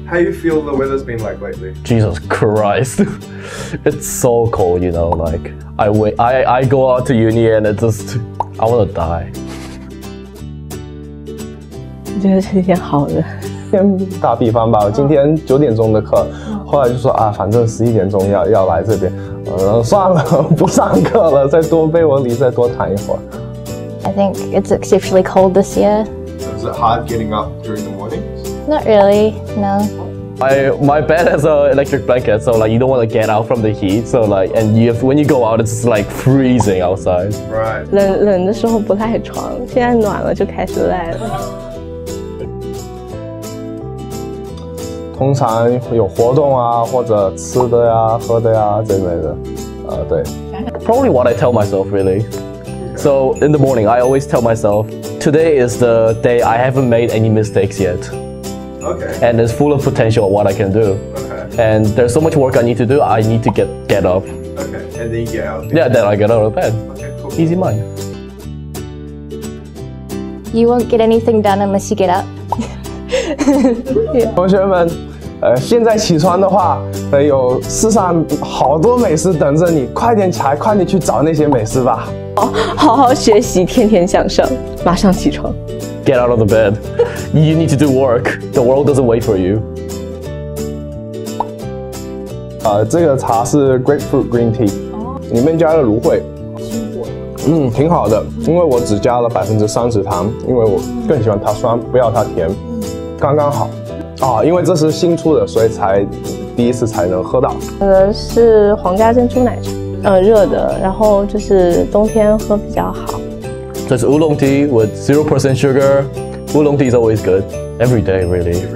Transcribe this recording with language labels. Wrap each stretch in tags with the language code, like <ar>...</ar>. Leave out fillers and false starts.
<en>How you feel the weather's been like lately? Jesus Christ, it's so cold. You know, like I go out to uni and it just I want to die.</en> <zh>我觉得这几天好热。打比方吧，我今天九点钟的课，后来就说啊，反正十一点钟要来这边，算了，不上课了，再多被窝里再多躺一会儿。</zh> <en>I think it's exceptionally cold this year. Is it hard getting up during the mornings? Not really, no. My bed has an electric blanket, so like you don't want to get out from the heat. So like, and you have, when you go out, it's like freezing outside. Right.</en> <zh>冷的时候不赖床，现在暖了就开始赖了。通常有活动啊，或者吃的呀、喝的呀这类的，对。</zh> <en>Probably what I tell myself really. So in the morning, I always tell myself, today is the day I haven't made any mistakes yet. Okay. And it's full of potential what I can do. Okay. And there's so much work I need to do. I need to get up. Okay. And then you get out. Yeah. Then I get out of bed. Okay. Cool. Easy money. You won't get anything done unless you get up.</en> <zh>同学们，现在起床的话，有世上好多美食等着你，快点起来，快点去找那些美食吧。好好学习，天天向上，马上起床。</zh> <en>Get out of the bed. You need to do work. The world doesn't wait for you.</en> <zh>这个茶是</zh> <en>grapefruit green tea，</en> <zh>里面加了芦荟。嗯，挺好的，因为我只加了30%糖，因为我更喜欢它酸，不要它甜。刚刚好，啊，因为这是新出的，所以才第一次才能喝到。是皇家珍珠奶茶，热的，然后就是冬天喝比较好。这是</zh> <en>oolong tea with 0% sugar. Oolong tea is always good, every day really.</en>